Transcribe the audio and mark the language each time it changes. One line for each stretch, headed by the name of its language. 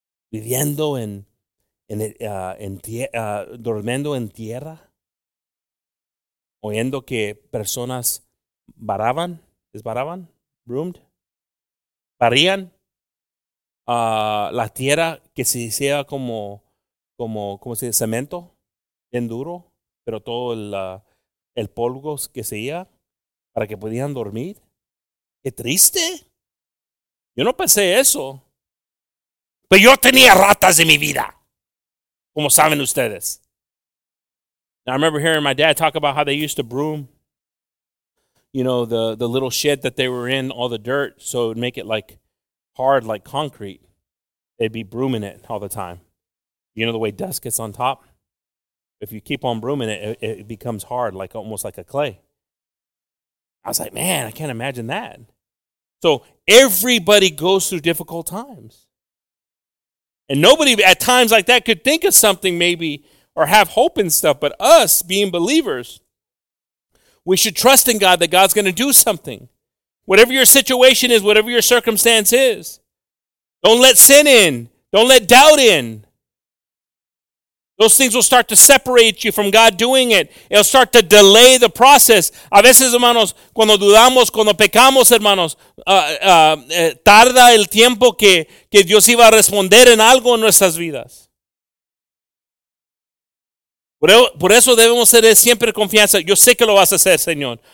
Spanish: Viviendo durmiendo en tierra, oyendo que personas varaban, desvaraban, broomed, varían la tierra que se hiciera como se dice, cemento, bien duro, pero todo el polvo que se iba para que pudieran dormir. ¡Qué triste! Yo no pensé eso. Pero yo tenía ratas en mi vida, como saben ustedes.
English: Now, I remember hearing my dad talk about how they used to broom, you know, the little shed that they were in, all the dirt, so it would make it like hard, like concrete. They'd be brooming it all the time. You know the way dust gets on top? If you keep on brooming it, it becomes hard, like almost like a clay. I was like, man, I can't imagine that. So everybody goes through difficult times. And nobody at times like that could think of something maybe or have hope and stuff. But us being believers, we should trust in God that God's going to do something. Whatever your situation is, whatever your circumstance is, don't let sin in. Don't let doubt in. Those things will start to separate you from God doing it. It'll start to delay the process.
Spanish: A veces, hermanos, cuando dudamos, cuando pecamos, hermanos, tarda el tiempo que Dios iba a responder en algo en nuestras vidas. Por eso debemos tener siempre confianza. Yo sé que lo vas a hacer, Señor.